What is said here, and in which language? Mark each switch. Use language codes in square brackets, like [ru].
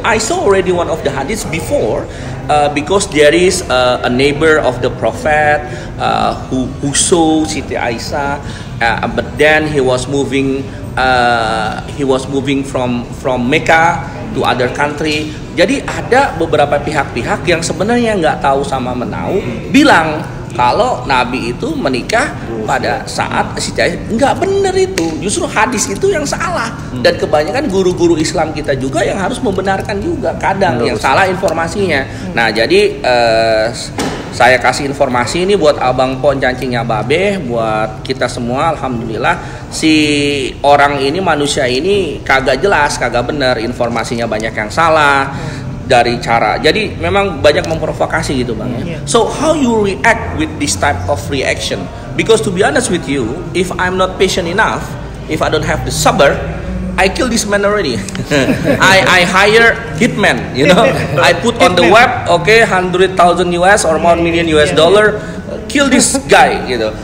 [en] I saw already one of the hadiths before, because there is a neighbor of the prophet who saw Siti Aisyah, but then he was moving from Mecca to other country. [id] Jadi ada beberapa pihak-pihak yang sebenarnya enggak tahu sama menau bilang kalau Nabi itu menikah pada saat Siti Aisyah, enggak benar itu. Justru hadis itu yang salah. Dan kebanyakan guru-guru Islam kita juga yang harus membenarkan juga kadang yang salah informasinya. Nah, jadi saya kasih informasi ini buat Abang Pon Cancingnya Babe, buat kita semua, alhamdulillah si orang ini, manusia ini kagak jelas, kagak benar, informasinya banyak yang salah. Dari cara, jadi memang banyak memprovokasi gitu bang. Yeah. [en] So how you react with this type of reaction? Because to be honest with you, if I'm not patient enough, if I don't have the sabar, I kill this man already. I hire hitman, you know. I put on the web, okay, 100,000 US or 1 million US dollar, kill this guy, you know.